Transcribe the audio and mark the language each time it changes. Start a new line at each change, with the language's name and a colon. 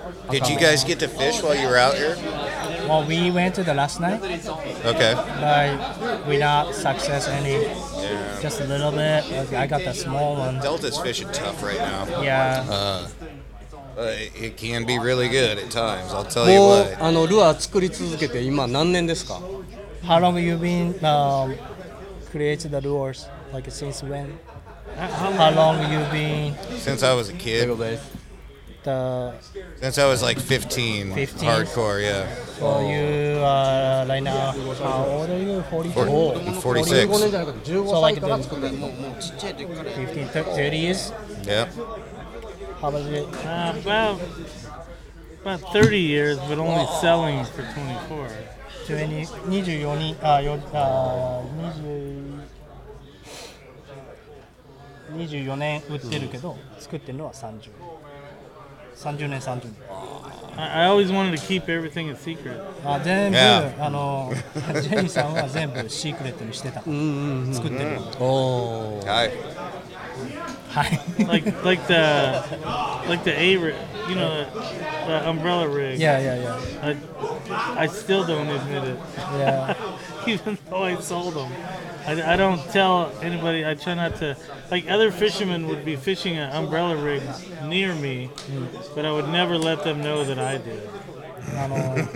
English: did you guys get to fish while you were out here? Well, we went to the last night. Okay. But without success any. Yeah. Just a little bit. Okay, I got the small one. Delta's fishing tough right now. Yeah. It can be really good at times, I'll tell you what.
Japanese: ルアー作り続けて今何年ですか?
English: How long have you been creating the lures? Like since when? How long have you been? Since I was a kid. Little bit. Since I was like 15. 15? Hardcore, yeah. So you are right now, how old are you? 44? 46. So like 15, 30 years? Yeah. How about it? About 30 years, but only selling for 24.
Japanese: 24年売ってるけど、作ってるのは30年。
English: I always wanted to keep everything a secret.
Japanese: 全部、ジェニーさんは全部シークレットにしてた。作ってる。はい。
English: like the A, you know, the umbrella rig. Yeah, yeah, yeah. I still don't admit it. Yeah. Even though I sold them, I don't tell anybody. I try not to. Like other fishermen would be fishing an umbrella rig near me, but I would never let them know that I did.